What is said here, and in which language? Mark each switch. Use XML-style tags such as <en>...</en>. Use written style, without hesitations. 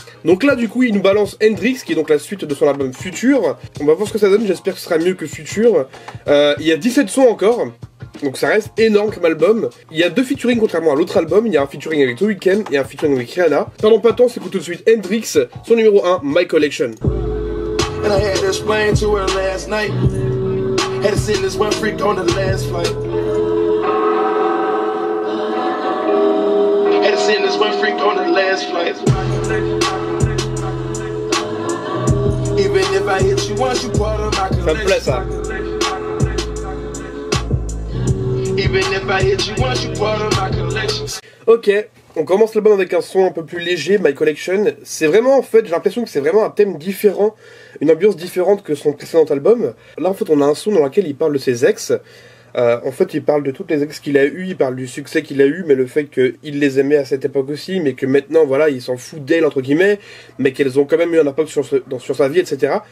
<fr>Donc là du coup il nous balance Hendrix, qui est donc la suite de son album Future. On va voir ce que ça donne, j'espère que ce sera mieux que Future. Il y a 17 sons encore, donc ça reste énorme comme album. Il y a deux featuring contrairement à l'autre album, il y a un featuring avec The Weeknd et un featuring avec Rihanna. Pardon pas tant, c'est tout de suite Hendrix, son numéro 1, My Collection.</fr> <en>And I had to explain to her last night. Had to sit in this one freak on the last flight. Had to sit in this one freak on the last flight. Even if I hit you once, you part of my collection. Even if I hit you once, you part of my collection. Okay.</en> <fr>On commence l'album avec un son un peu plus léger, My Collection. C'est vraiment, en fait, j'ai l'impression que c'est vraiment un thème différent, une ambiance différente que son précédent album. Là, en fait, on a un son dans lequel il parle de ses ex. En fait, il parle de toutes les ex qu'il a eues, il parle du succès qu'il a eu, mais le fait qu'il les aimait à cette époque aussi, mais que maintenant, voilà, il s'en fout d'elles, entre guillemets, mais qu'elles ont quand même eu un impact sur sa vie, etc.</fr>